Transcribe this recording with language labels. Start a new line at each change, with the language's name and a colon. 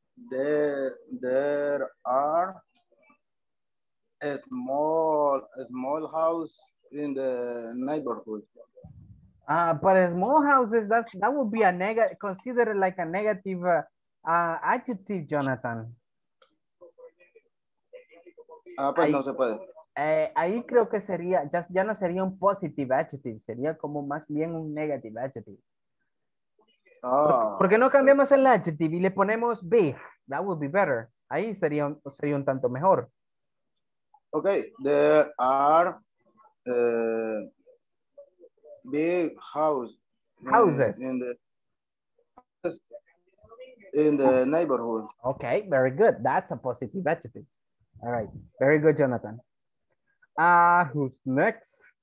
English: There are a small house in the neighborhood. But a small houses, that would be a negative, considered like a negative adjective, Jonathan.
Spanish: Pues ahí, no se puede. Ahí creo que sería, ya no sería un positive adjective, sería como más bien un negative adjective. Oh. ¿Por qué no cambiamos el adjective y le ponemos big?
English: That would be better.
Spanish: Ahí sería un tanto mejor.
English: Ok, there are big houses in the neighborhood. Ok, very good. That's a positive adjective. All right, very good, Jonathan. Who's next?